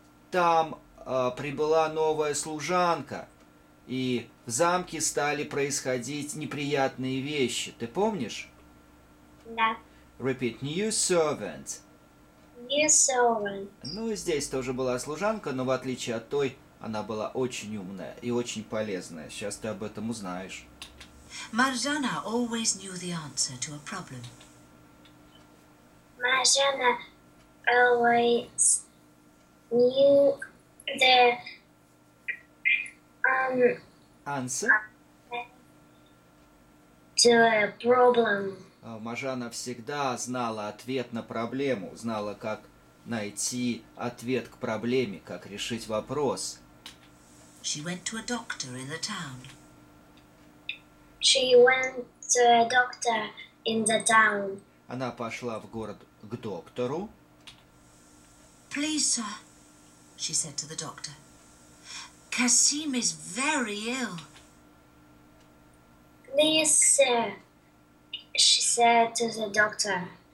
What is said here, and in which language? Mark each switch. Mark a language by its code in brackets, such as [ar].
[ru] Там прибыла новая служанка, и в замке стали происходить неприятные вещи. Ты помнишь? Да. [en] Repeat. New servant. New servant. [ru] Ну, и здесь тоже была служанка, но в отличие от той, она была очень умная и очень полезная. Сейчас ты об этом узнаешь. [en] Marjana always knew the answer to a problem. Marjana always knew the answer to a problem. [ru] Marjana всегда знала ответ на проблему, знала, как найти ответ к проблеме, как решить вопрос. [en] She went to a doctor in the town. She went to a doctor in the town. [ru] Она пошла в город к доктору. [en] Please, sir, she said to the doctor. Kasim is very ill. Please, sir, she said to the doctor.